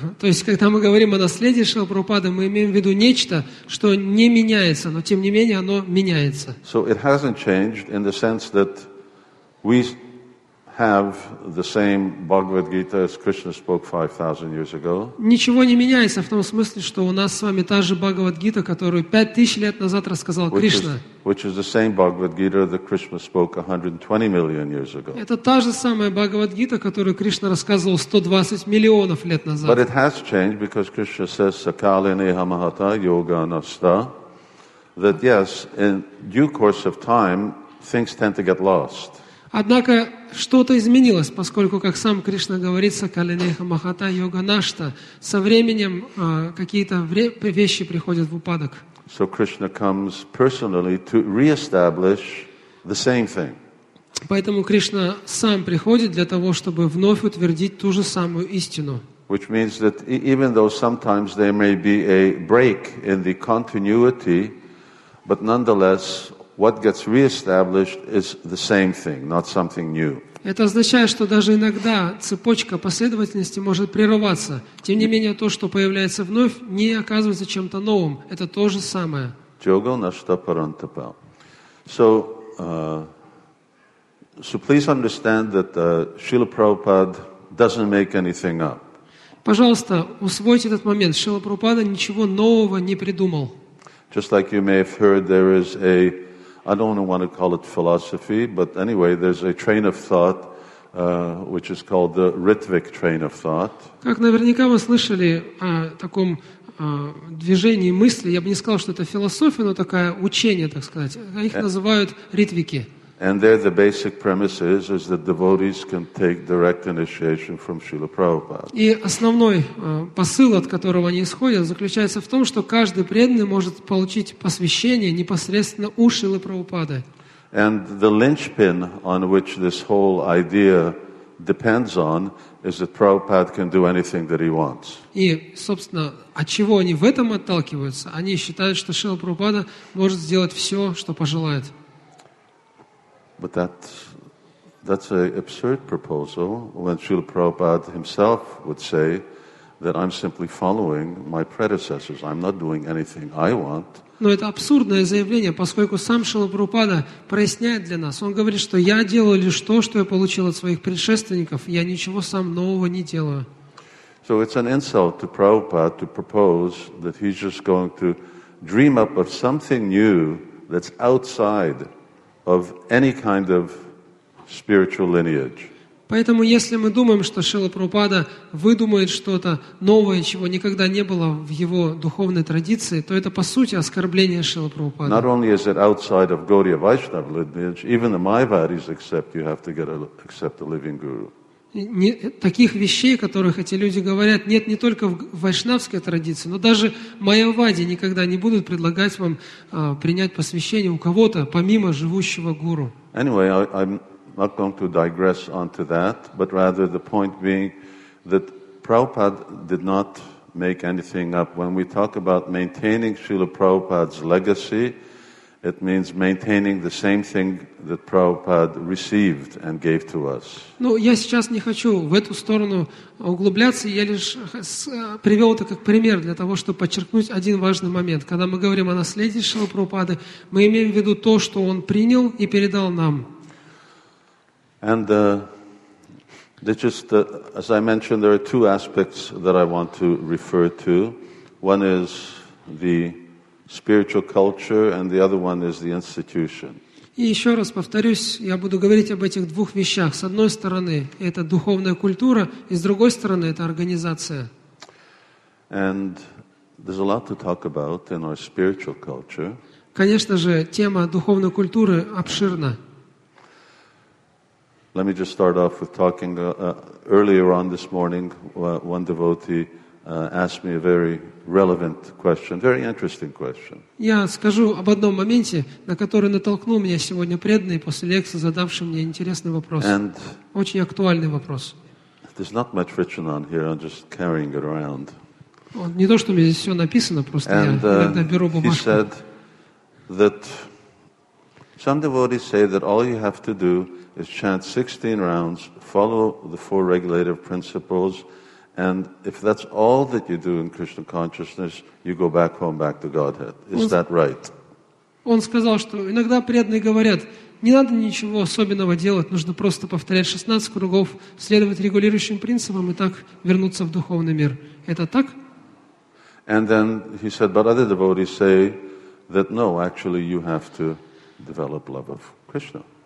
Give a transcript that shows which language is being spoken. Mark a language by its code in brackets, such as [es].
[ru] То есть, когда мы говорим о наследии Шрилы Прабхупады, мы имеем в виду нечто, что не меняется, но тем не менее оно меняется. [en] So it hasn't changed in the sense that we have the same Bhagavad Gita as Krishna spoke 5,000 years ago. [ru] Ничего не меняется в том смысле, что у нас с вами та же Бхагавад Гита, которую 5000 лет назад рассказал Кришна. [en] Which is the same Bhagavad Gita that Krishna spoke 120 million years ago. [ru] Это та же самая Бхагавад Гита, которую Кришна рассказывал 120 миллионов лет назад. [en] But it has changed because Krishna says [sa] sakalineha mahata yoga nasta, [en] that yes, in due course of time things tend to get lost. [ru] Однако что-то изменилось, поскольку, как сам Кришна говорит, [sa] сакалинеха махата йога нашта, [ru] со временем какие-то вещи приходят в упадок. [en] So Krishna comes personally to re-establish the same thing. [ru] Поэтому Кришна сам приходит для того, чтобы вновь утвердить ту же самую истину. [en] Which means that even though sometimes there may be a break in the continuity, but nonetheless, what gets reestablished is the same thing, not something new. [ru] Это означает, что даже иногда цепочка последовательности может прерываться. Тем не менее, то, что появляется вновь, не оказывается чем-то новым. Это то же самое. [sa] Йога нашта парантапа. [en] So please understand that Srila Prabhupada doesn't make anything up. [ru] Пожалуйста, усвойте этот момент. Шрила Прабхупада ничего нового не придумал. [en] Just like you may have heard, there is a, I don't want to call it philosophy, but anyway, there's a train of thought, which is called the Ritvik train of thought. [ru] Как наверняка вы слышали о таком движении мысли, я бы не сказал, что это философия, но такое учение, так сказать. Их называют ритвики. [en] And there the basic premise is that devotees can take direct initiation from Srila Prabhupada. [ru] И основной посыл, от которого они исходят, заключается в том, что каждый преданный может получить посвящение непосредственно у Шрилы Прабхупады. [en] And the linchpin on which this whole idea depends on is that Prabhupada can do anything that he wants. [ru] И, собственно, от чего они в этом отталкиваются? Они считают, что Шрила Прабхупада может сделать все, что пожелает. [en] But that's an absurd proposal when Srila Prabhupada himself would say that I'm simply following my predecessors. I'm not doing anything I want. [ru] Но это абсурдное заявление, поскольку сам Шрила Прабхупада проясняет для нас. Он говорит, что я делаю лишь то, что я получил от своих предшественников. Я ничего сам нового не делаю. [en] So it's an insult to Prabhupada to propose that he's just going to dream up of something new that's outside of any kind of spiritual lineage. [ru] Поэтому если мы думаем, что Шрила Прабхупада выдумает что-то новое, чего никогда не было в его духовной традиции, то это по сути оскорбление Шрилы Прабхупады. [en] Not only is it outside of Gaudiya Vaishnava lineage, even the Maivadis accept you have to get accept a living guru. [ru] Таких вещей, о которых эти люди говорят, нет не только в вайшнавской традиции, но даже майявади никогда не будут предлагать вам принять посвящение у кого-то, помимо живущего гуру. [en] Anyway, I'm not going to digress onto that, but rather the point being that Prabhupada did not make anything up. When we talk about maintaining Srila Prabhupada's legacy, it means maintaining the same thing that Prabhupada received and gave to us. [ru] Ну, я сейчас не хочу в эту сторону углубляться, я лишь привел это как пример для того, чтобы подчеркнуть один важный момент. Когда мы говорим о наследии Шрилы Прабхупады, мы имеем в виду то, что он принял и передал нам. [en] And as I mentioned, there are two aspects that I want to refer to. One is the spiritual culture, and the other one is the institution. [ru] И еще раз повторюсь, я буду говорить об этих двух вещах. С одной стороны, это духовная культура, и с другой стороны, это организация. [en] And there's a lot to talk about in our spiritual culture. [ru] Конечно же, тема духовной культуры обширна. [en] Let me just start off with talking. Earlier on this morning, one devotee asked me a very relevant question, very interesting question. [ru] Я скажу об одном моменте, на который натолкнул меня сегодня преданный после лекции, задавший мне интересный вопрос. [en] And [ru] очень актуальный вопрос. [en] There's not much written on here, I'm just carrying it around. [ru] Не то, что у меня здесь все написано, просто я иногда беру бумажку. [en] He said that some devotees say that all you have to do is chant 16 rounds, follow the four regulative principles, and if that's all that you do in Krishna consciousness, you go back home, back to Godhead. Is that right? [ru] Он сказал, что иногда преданные говорят, не надо ничего особенного делать, нужно просто повторять 16 кругов, следовать регулирующим принципам и так вернуться в духовный мир. Это так? [en] And then he said, but other devotees say that no, actually you have to develop love of Krishna.